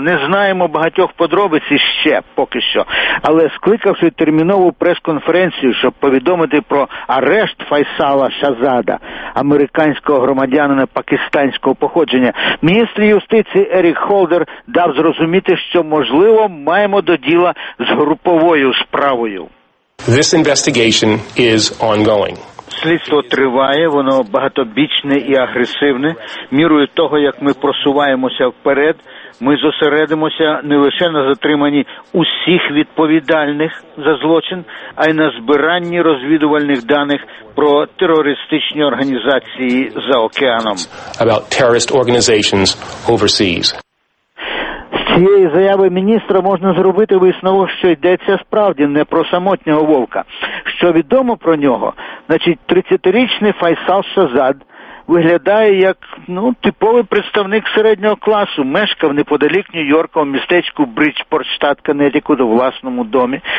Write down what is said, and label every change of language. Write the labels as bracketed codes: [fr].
[uk] Не знаємо багатьох подробиць ще поки що. Але скликавши термінову прес-конференцію, щоб повідомити про арешт Файсала Шазада, американського громадянина пакистанського походження, міністр юстиції Ерік Холдер дав зрозуміти, що, можливо, маємо до діла з груповою справою. [en] This investigation is ongoing. [uk] Слідство триває, воно багатобічне і агресивне. Мірою того, як ми просуваємося вперед, ми зосередимося не лише на затриманні усіх відповідальних за злочин, а й на збиранні розвідувальних даних про терористичні організації за океаном. [en] About terrorist organizations overseas. [uk] Цієї заяви міністра можна зробити висновок, що йдеться справді не про самотнього вовка. Що відомо про нього? Значить, 30-річний Файсал Шазад виглядає як, ну, типовий представник середнього класу. Мешкав неподалік Нью-Йорка у містечку Бриджпорт, штат Коннектикут, у власному домі.